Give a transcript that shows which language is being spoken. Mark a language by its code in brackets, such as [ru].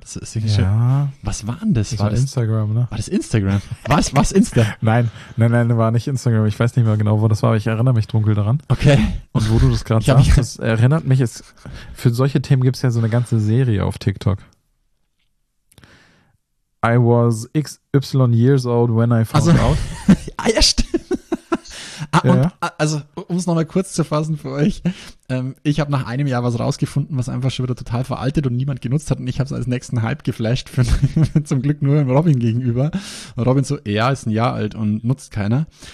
[de] Das ist ja. Was war denn das? War das Instagram, ne? War das Instagram? Was Insta? Nein, war nicht Instagram. Ich weiß nicht mehr genau, wo das war, aber ich erinnere mich dunkel daran. Okay. Und wo du das gerade sagst, das erinnert mich. Für solche Themen gibt es ja so eine ganze Serie auf TikTok. [en] I was XY years old when I found out. [de] Ah ja, stimmt. Also, um es nochmal kurz zu fassen für euch, ich habe nach einem Jahr was rausgefunden, was einfach schon wieder total veraltet und niemand genutzt hat und ich habe es als nächsten Hype geflasht, zum Glück nur dem Robin gegenüber. Und Robin so, ja, ist ein Jahr alt und nutzt keiner.